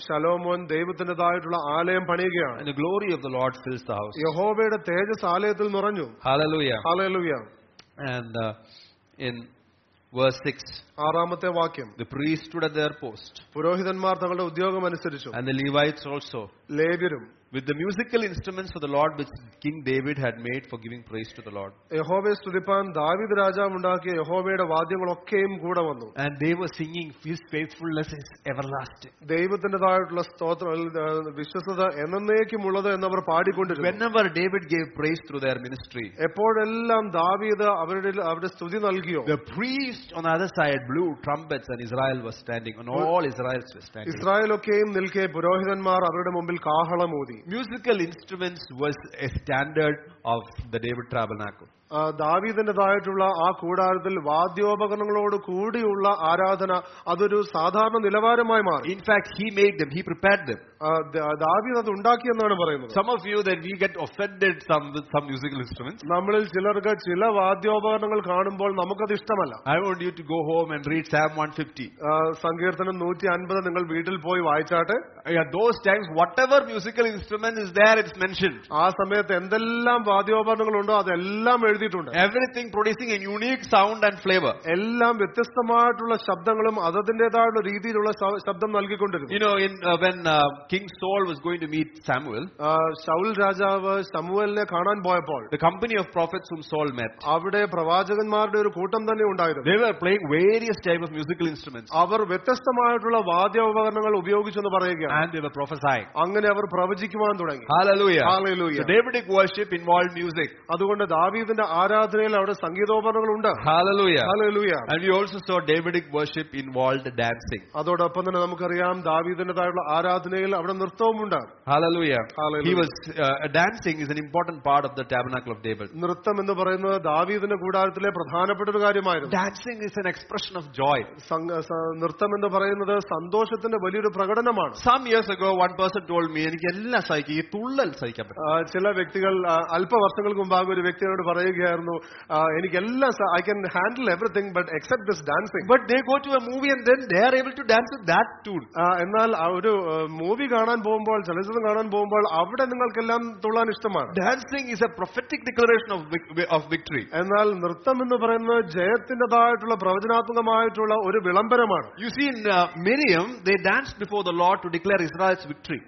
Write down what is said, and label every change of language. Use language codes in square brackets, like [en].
[ml] ശലോമോൻ ദൈവത്തിന്റേതായിട്ടുള്ള ആലയം പണിയുകയാണ്. [en] And the glory of the Lord fills the house. [ml] യഹോവയുടെ തേജസ് ആലയത്തിൽ നിറഞ്ഞു. [en] Hallelujah. Hallelujah. And in verse 6, [ml] ആറാമത്തെ വാക്യം, [en] the priests stood at their post. [ml] പുരോഹിതന്മാർ തങ്ങളുടെ ഉദ്യോഗം അനുസരിച്ചു. [en] And the Levites also. [ml] ലേവ്യരും. [en] With the musical instruments of the Lord which King David had made for giving praise to the Lord. [ml] യഹോവയെ സ്തുതിപ്പാൻ ദാവീദ് രാജാവ് ഉണ്ടാക്കിയ യഹോവയുടെ വാദ്യങ്ങളൊക്കെയും കൂടെ വന്നു. [en] And they were singing, His faithfulness is everlasting. [ml] ദൈവത്തിന്റേതായിട്ടുള്ള സ്തോത്രം, വിശ്വസ്തത എന്നേക്കുമുള്ളത് എന്നവർ പാടിക്കൊണ്ടിരുന്നു. [en] Whenever David gave praise through their ministry. [ml] എപ്പോഴെല്ലാം ദാവീദ് അവരുടെ സ്തുതി നൽകിയോ. [en] The priests on the other side blew trumpets and Israel was standing. And all Israelites were standing. [ml] Israel ഒക്കെയും നിൽക്കെ പുരോഹിതന്മാർ അവരുടെ മുമ്പിൽ കാഹളം. [en] Musical instruments was a standard of the David tabernacle. [ml] ദാവീദിന്റേതായിട്ടുള്ള ആ കൂടാരത്തിൽ വാദ്യോപകരണങ്ങളോട് കൂടിയുള്ള ആരാധന അതൊരു സാധാരണ നിലവാരമായി മാറി. [en] In fact he made them, he prepared them. [ml] ദാവീദ് അത് ഉണ്ടാക്കി എന്നാണ് പറയുന്നത്. [en] Some of you that we get offended some musical instruments. [ml] നമ്മളിൽ ചിലർക്ക് ചില വാദ്യോപകരണങ്ങൾ കാണുമ്പോൾ നമുക്കത് ഇഷ്ടമല്ല. [en] I want you to go home and read psalm 150. [ml] സങ്കീർത്തനം 150 നിങ്ങൾ വീട്ടിൽ പോയി വായിച്ചാട്ട്. [en] Those times whatever musical instrument is there it's mentioned. [ml] ആ സമയത്ത് എന്തെല്ലാം വാദ്യോപകരണങ്ങൾ ഉണ്ടോ അതെല്ലാം എഴുതിയിട്ടുണ്ട്. [en] Everything producing a unique sound and flavor. [ml] എല്ലാം വ്യത്യസ്തമായിട്ടുള്ള ശബ്ദങ്ങളും അതതിന്റേതായിട്ടുള്ള രീതിയിലുള്ള ശബ്ദം നൽകിക്കൊണ്ടിരുന്നു. [en] You know, in when King Saul was going to meet Samuel, [ml] Saul രാജാവ് സമുവേലിനെ കാണാൻ പോയപ്പോൾ, [en] the company of prophets whom Saul met, [ml] അവിടെ പ്രവാചകന്മാരുടെ ഒരു കൂട്ടം തന്നെ ഉണ്ടായിരുന്നു. [en] They were playing various type of musical instruments. [ml] അവർ വ്യത്യസ്തമായിട്ടുള്ള വാദ്യോപകരണങ്ങൾ ഉപയോഗിച്ചെന്ന് പറയുകയാണ്. [en] And they were prophesying. [ml] അങ്ങനെ അവർ പ്രവചിക്കുവാൻ തുടങ്ങി. [en] Hallelujah. Hallelujah. The Davidic worship involved music. [ml] അതുകൊണ്ട് ദാവീദിന്റെ ആരാധനയിൽ അവിടെ സംഗീതോപകരണങ്ങൾ ഉണ്ട്. [en] Hallelujah. Hallelujah. And we also saw Davidic worship involved dancing. [ml] അതോടൊപ്പം തന്നെ നമുക്കറിയാം ദാവീദിന്റേതായുള്ള ആരാധനയിൽ അവിടെ നൃത്തവും ഉണ്ട്. [en] Hallelujah. Hallelujah. He was dancing is an important part of the tabernacle of David. [ml] നൃത്തം എന്ന് പറയുന്നത് ദാവീദിന്റെ കൂടാരത്തിലെ പ്രധാനപ്പെട്ട ഒരു കാര്യമായിരുന്നു. [en] Dancing is an expression of joy. [ml] നൃത്തം എന്ന് പറയുന്നത് സന്തോഷത്തിന്റെ വലിയൊരു പ്രകടനമാണ്. [en] Some years ago one person told me, [ml] എനിക്ക് എല്ലാം സഹിക്കാം, ഈ തുള്ളൽ സഹിക്കാൻ പറ്റില്ല. ചില വ്യക്തികൾ അല്പവർഷങ്ങൾക്ക് മുമ്പാകെ ഒരു വ്യക്തിയോട് പറയുകയായിരുന്നു, എനിക്കെല്ലാം [en] I can handle everything but except this dancing. But they go to a movie and then they are able to dance with that tune. [ml] എന്നാൽ ഒരു മൂവി കാണാൻ പോകുമ്പോൾ, ചലച്ചിത്രം കാണാൻ പോകുമ്പോൾ അവിടെ നിങ്ങൾക്കെല്ലാം തുള്ളാൻ ഇഷ്ടമാണ്. [en] Dancing is a prophetic declaration of victory. [ml] എന്നാൽ നൃത്തം എന്ന് പറയുന്നത് ജയത്തിന്റേതായിട്ടുള്ള പ്രവചനാത്മകമായിട്ടുള്ള ഒരു വിളംബരമാണ്. [en] You see in Miriam they dance before the lord to declare Israel's victory.